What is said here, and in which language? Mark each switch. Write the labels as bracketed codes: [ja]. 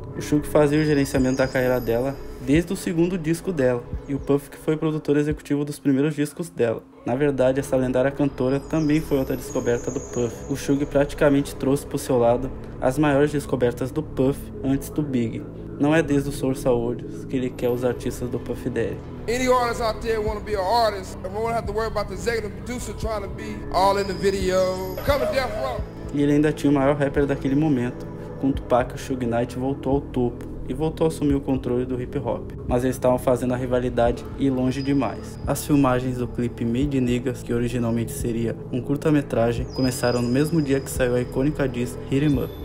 [pt] O Sugar fazia o gerenciamento da carreira dela desde o segundo disco dela, e o Puff que foi produtor executivo dos primeiros discos dela. Na verdade, essa lendária cantora também foi outra descoberta do Puff. O Suge praticamente trouxe pro seu lado as maiores descobertas do Puff antes do Big. Não é desde o Source Awards que ele quer os artistas do Puff Daddy. [en] Any artist out there want to be an artist, and we don't have to worry about the executive producer trying to be all in the video. Come to Death Row. [pt] E ele ainda tinha o maior rapper daquele momento, com Tupac, o Suge Knight voltou ao topo e voltou a assumir o controle do hip hop, mas eles estavam fazendo a rivalidade ir longe demais. As filmagens do clipe Made in Niggas, que originalmente seria um curta-metragem, começaram no mesmo dia que saiu a icônica diss Hit 'Em Up.